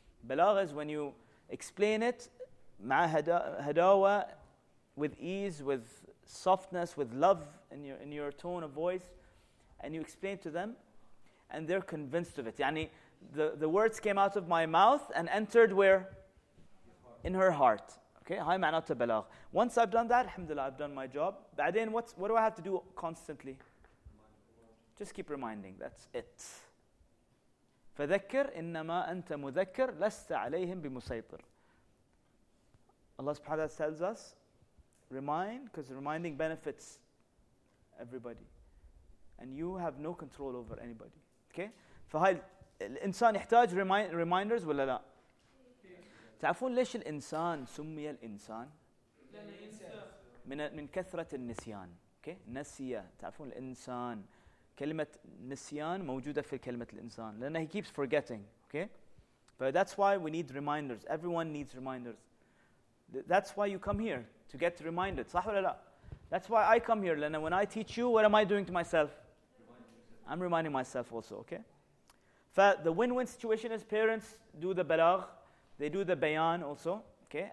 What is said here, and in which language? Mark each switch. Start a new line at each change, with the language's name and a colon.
English: بلاغ is when you explain it
Arabic: مع هداوة
English: with ease, with softness, with love in your tone of voice and you explain to them and they're convinced of it. يعني the words came out of my mouth and entered where? In her heart. Okay?
Arabic: هاي معناته بلاغ.
English: Once I've done that, alhamdulillah, I've done my job. بعدين, what do I have to do constantly? Just keep reminding. That's it.
Arabic: فذكر إنما أنت مذكر لست عليهم بمسيطر.
English: Allah subhanahu wa ta'ala tells us, remind, because reminding benefits everybody. And you have no control over anybody.
Arabic: فهاي الإنسان يحتاج reminders ولا لا؟ تعرفون ليش الإنسان سمي الإنسان؟ من كثرة النسيان. Okay؟ نسية. تعرفون الإنسان كلمة نسيان موجودة في كلمة الإنسان لأنه
English: he keeps forgetting. Okay? But that's why we need reminders. Everyone needs reminders. That's why you come here to get reminded.
Arabic: صح ولا لا؟
English: That's why I come here. لأن when I teach you, what am I doing to myself? I'm reminding myself also, okay? The win-win situation is parents do the balagh, they do the bayan also, okay?